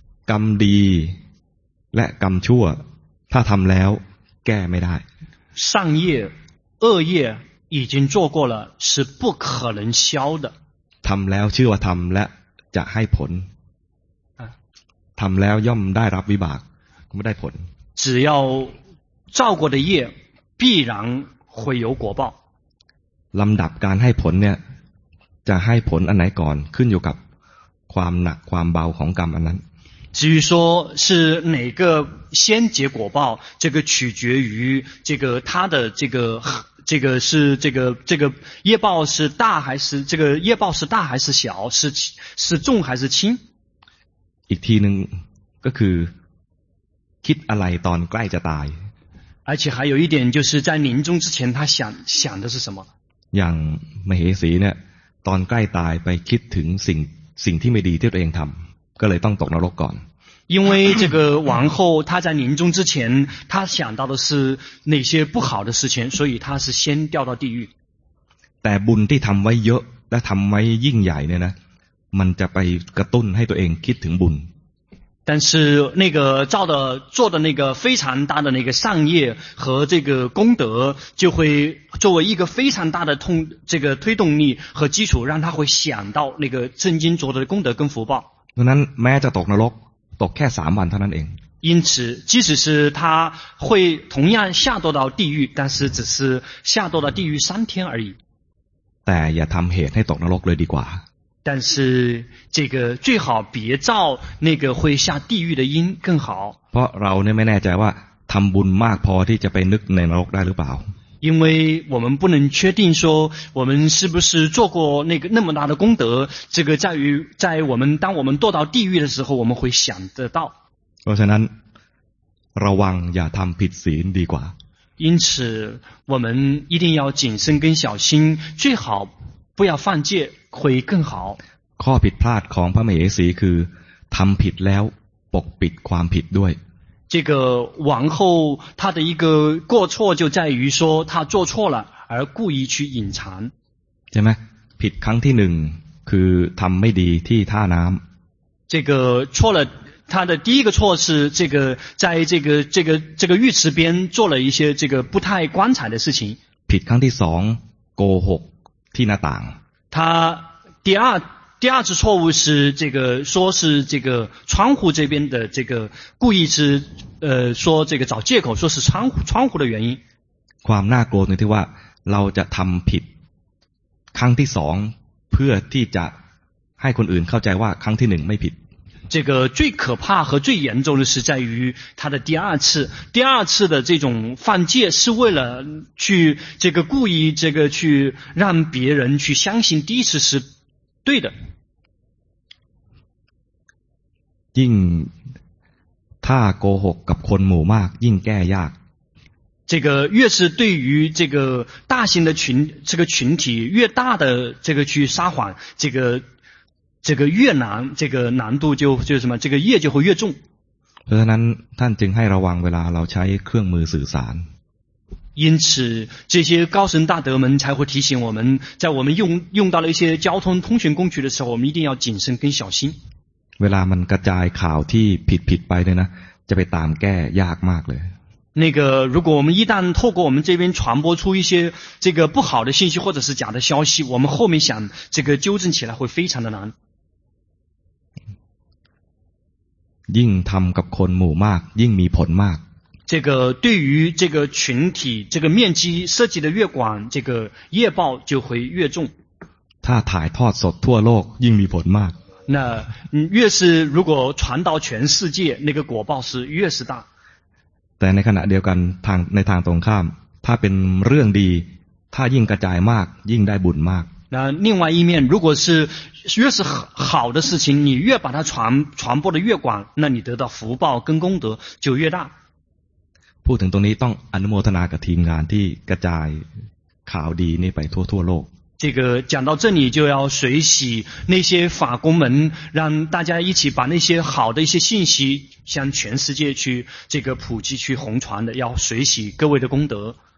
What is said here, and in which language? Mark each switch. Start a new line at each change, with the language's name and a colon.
Thai: กรรมดีและกรรมชั่วถ้าทำแล้วแก้ไม่ได้
Chinese: 上业恶业已经做过了是不可能消的
Thai: ทำแล้วชื่อว่าทำและจะให้ผลทำแล้วย่อมได้รับวิบากไม่ได้ผล
Chinese: 只要造过的业必然会有果报
Thai: ลำดับการให้ผลเนี่ยจะให้ผลอันไหนก่อนขึ้นอยู่กับความหนักความเบาของกรรมอันนั้น
Chinese: 至于说是哪个先结果报，这个取决于这个他的这个是这个业报是大还是这个业报是大还是小，是重还是轻。
Thai: อีกทีนึงก็คือคิดอะไรตอนใกล้จะตาย。
Chinese: 而且还有一点就是在临终之前他想的是什么？
Thai: อย่างมเหสีเนี่ยตอนใกล้ตายไปคิดถึงสิ่งที่ไม่ดีที่ตัวเองทำ。 ก็เลยต้องตกนรกก่อน
Chinese: 因为这个王后她在临终之前她想到的是那些不好的事情所以她是先掉到地狱
Thai: แต่บุญที่ทำไว้เยอะและทำไว้ยิ่งใหญ่เนี่ยนะมันจะไปกระตุ้นให้ตัวเองคิดถึงบุญ
Chinese: 但是那个做的那个非常大的那个善业和这个功德就会作为一个非常大的这个推动力和基础让她会想到那个曾经做的功德跟福报
Thai: ดังนั้นแม้จะตกนรกตกแค่3วันเท่านั้นเอง
Chinese: 因此即使是他会同样下堕到地狱但是只是下堕到地狱3天而已
Thai: แต่อย่าทำเหตุให้ตกนรกเลยดีกว่า
Chinese: 但是这个最好别造那个会下地狱的因更好
Thai: เพราะเราเนี่ยไม่แน่ใจว่าทำบุญมากพอที่จะไปนึกในนรกได้หรือเปล่า
Chinese: 因为我们不能确定说我们是不是做过那个那么大的功德这个在于在我们当我们堕到地狱的时候我们会想得到
Thai: เพราะฉะนั้นระวังอย่าทำผิดศีลดีกว่า
Chinese: 因此我们一定要谨慎跟小心最好不要犯戒会更好
Thai: ข้อผิดพลาดของพระมเหสีคือทำผิดแล้วปกปิดความผิดด้วย
Chinese: 这个王后她的一个过错就在于说她做错了而故意去隐藏
Thai: ใช่ไหมผิดครั้งที่หนึ่งคือทำไม่ดีที่ท่าน้ำ
Chinese: 这个错了她的第一个错是这个在这个浴池边做了一些这个不太光彩的事情
Thai: ผิดครั้งที่สองโกหกที่หน้าต่าง
Chinese: 他第二次错误是这个说是这个窗户这边的这个故意是说这个找借口说是窗户的原因
Thai: ความน่ากลัวตรงที่ว่าเราจะทำผิดครั้งที่สองเพื่อที่จะให้คนอื่นเข้าใจว่าครั้งที่หนึ่งไม่ผิด
Chinese: 这个最可怕和最严重的是在于他的第二次的这种犯戒是为了去这个故意这个去让别人去相信第一次是对的
Thai: ยิ่งถ้าโกหกกับคนหมู่มากยิ่งแก้ยาก
Chinese: 这个越是对于这个大型的群体越大的这个去撒谎这个越难这个难度就什么这个业就会越重
Thai: เพราะฉะนั้นท่านจึงให้ระวังเวลาเราใช้เครื่องมือสื่อสาร
Chinese: 因此这些高僧大德们才会提醒我们在我们用到了一些交通通讯工具的时候我们一定要谨慎跟小心
Thai: เวลามันกระจายข่าวที่ผิดไปเนี่ยนะจะไปตามแก้ยากมากเลย
Chinese: 那个如果我们一旦透过我们这边传播出一些这个不好的信息或者是假的消息我们后面想这个纠正起来会非常的难
Thai: ยิ่งทำกับคนหมู่มากยิ่งมีผลมาก
Chinese: 这个对于这个群体这个面积涉及的越广这个业报就会越重
Thai: ถ้าถ่ายทอดสดทั่วโลกยิ่งมีผลมาก
Chinese: 那越是如果传到全世界那个果报是越是大
Thai: แต่ในขณะเดียวกันทางในทางตรงข้ามถ้าเป็นเรื่องดีถ้ายิ่งกระจายมากยิ่งได้บุญมาก แล้ว
Chinese: 另外一面如果是越是好的事情你越把它传播的越广那你得到福报跟功德就越大
Thai: พูดถึงตรงนี้ต้องอนุโมทนากับทีมงานที่กระจายข่าวดีนี่ไปทั่วโลก
Chinese: 这个讲到这里就要随喜那些法工们让大家一起把那些好的一些信息向全世界去这个普及去红传的要随喜各位的功德